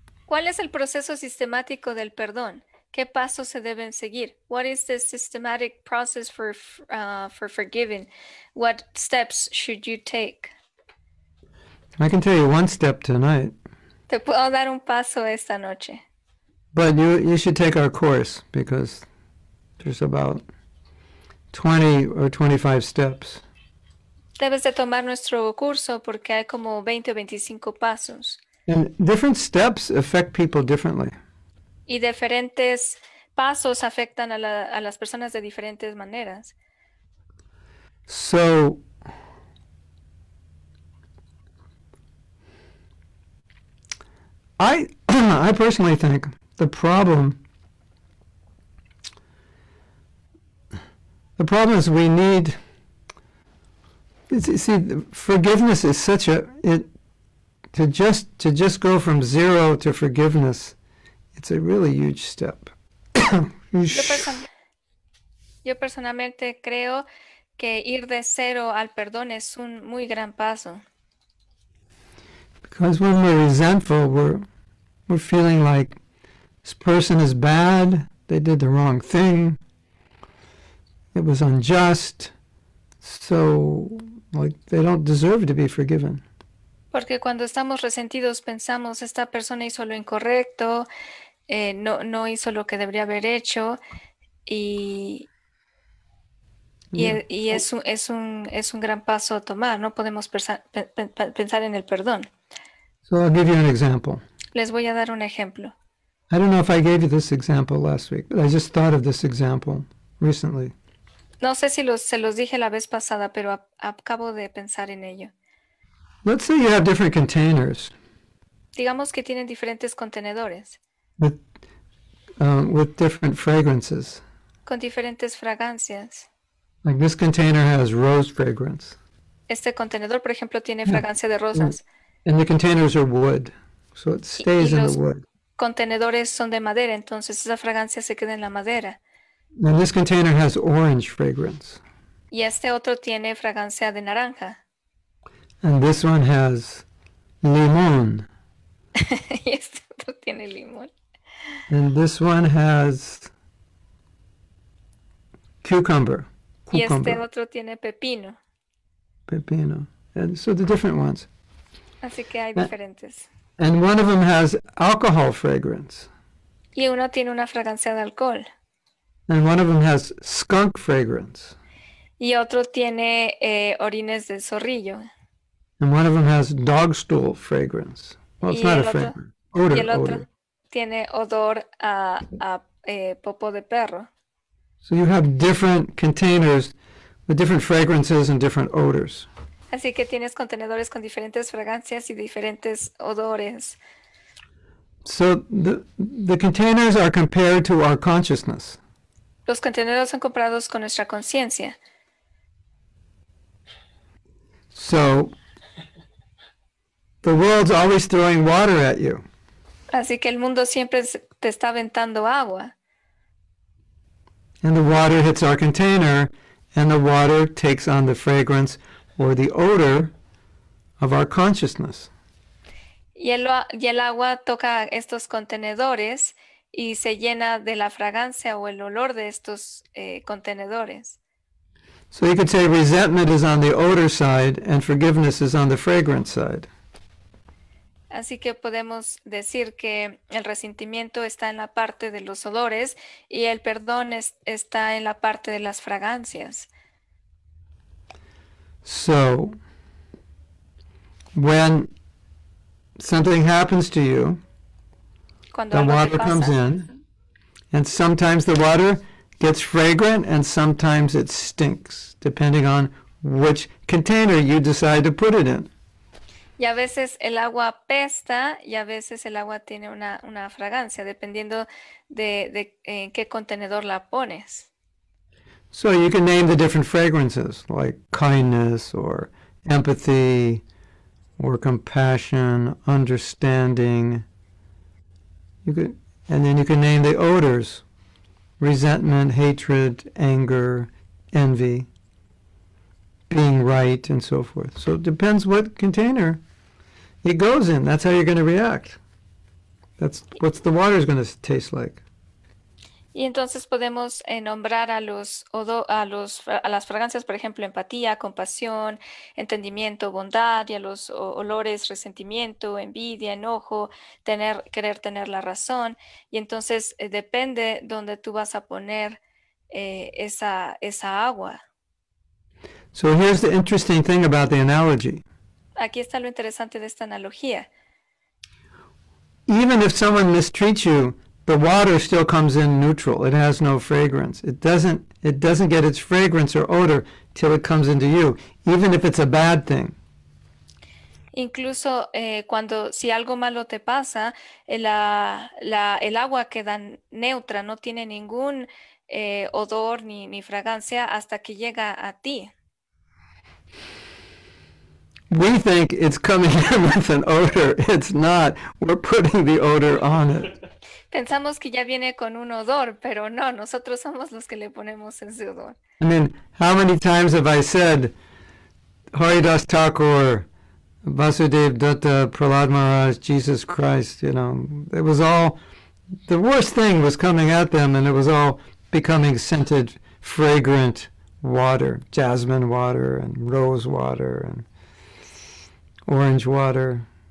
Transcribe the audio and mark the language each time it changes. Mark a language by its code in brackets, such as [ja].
[es] ¿Cuál es el proceso sistemático del perdón? ¿Qué pasos se deben seguir? [en] What is the systematic process for forgiving? What steps should you take? I can tell you one step tonight. [es] Te puedo dar un paso esta noche. [en] But you should take our course because there's about 20 or 25 steps. [es] Debes de tomar nuestro curso porque hay como 20 o 25 pasos. [en] And different steps affect people differently. [es] Y diferentes pasos afectan a las personas de diferentes maneras. [en] So, I personally think the problem is we need, you see, forgiveness is such a, it, to just go from zero to forgiveness, it's a really huge step. [es] Yo personalmente creo que ir de cero al perdón es un muy gran paso. [en] Because when we're resentful, we're feeling like this person is bad, they did the wrong thing, it was unjust, so like they don't deserve to be forgiven. [es] Porque cuando estamos resentidos pensamos esta persona hizo lo incorrecto, no hizo lo que debería haber hecho y es un gran paso a tomar, no podemos pensar en el perdón. [en] So I'll give you an example. [es] Les voy a dar un ejemplo. [en] I don't know if I gave you this example last week, but I just thought of this example recently. [es] No sé si se los dije la vez pasada, pero acabo de pensar en ello. [en] Let's say you have different containers. [es] Digamos que tienen diferentes contenedores. [en] With different fragrances. [es] Con diferentes fragancias. [en] Like this container has rose fragrance. [es] Este contenedor, por ejemplo, tiene fragancia de rosas. [en] And the containers are wood, so it stays in the wood. [es] Contenedores son de madera, entonces esa fragancia se queda en la madera. [en] And this container has orange fragrance. [es] Y este otro tiene fragancia de naranja. [en] And this one has limón. [es] Y este otro tiene limón. [en] And this one has cucumber. [es] Y este otro tiene pepino. [en] Pepino. And so the different ones. [es] Así que hay diferentes. [en] And one of them has alcohol fragrance. [es] Y uno tiene una fragancia de alcohol. [en] And one of them has skunk fragrance. [es] Y otro tiene orines de zorrillo. [en] And one of them has dog stool fragrance. Well, it's not a fragrance. Odor. [es] Y el otro odor. Tiene odor a popo de perro. [en] So you have different containers with different fragrances and different odors. [es] Así que tienes contenedores con diferentes fragancias y diferentes odores. [en] So the containers are compared to our consciousness. [es] Los contenedores son comparados con nuestra conciencia. [en] So the world's always throwing water at you. [es] Así que el mundo siempre te está aventando agua. [en] And the water hits our container and the water takes on the fragrance or the odor of our consciousness. [es] Y el agua toca estos contenedores y se llena de la fragancia o el olor de estos contenedores. [en] So you could say resentment is on the odor side and forgiveness is on the fragrance side. [es] Así que podemos decir que el resentimiento está en la parte de los olores y el perdón está en la parte de las fragancias. [en] So, when something happens to you, [es] cuando [en] the water comes in, and sometimes the water gets fragrant and sometimes it stinks, depending on which container you decide to put it in. [es] Y a veces el agua pesta y a veces el agua tiene una fragancia, dependiendo de en qué contenedor la pones. [en] So you can name the different fragrances, like kindness or empathy or compassion, understanding. And then you can name the odors, resentment, hatred, anger, envy, being right, and so forth. So it depends what container it goes in. That's how you're going to react. That's what the water is going to taste like. [es] Y entonces podemos nombrar a las fragancias, por ejemplo, empatía, compasión, entendimiento, bondad, y a los olores, resentimiento, envidia, enojo, querer tener la razón. Y entonces depende dónde tú vas a poner esa agua. [en] So here's the interesting thing about the analogy. [es] Aquí está lo interesante de esta analogía. [en] Even if someone mistreats you, the water still comes in neutral. It has no fragrance. It doesn't get its fragrance or odor till it comes into you, even if it's a bad thing. [es] Incluso cuando si algo malo te pasa, el agua queda neutra, no tiene ningún odor ni fragancia hasta que llega a ti. [en] We think it's coming in with an odor. It's not. We're putting the odor on it. [es] Pensamos que ya viene con un odor, pero no, nosotros somos los que le ponemos ese odor. [en] I mean, how many times have I said, Haridas Thakur, Vasudev Dutta, Prahlad Maharaj, Jesus Christ, you know, it was all, the worst thing was coming at them, and it was all becoming scented, fragrant water, jasmine water, and rose water, and orange water.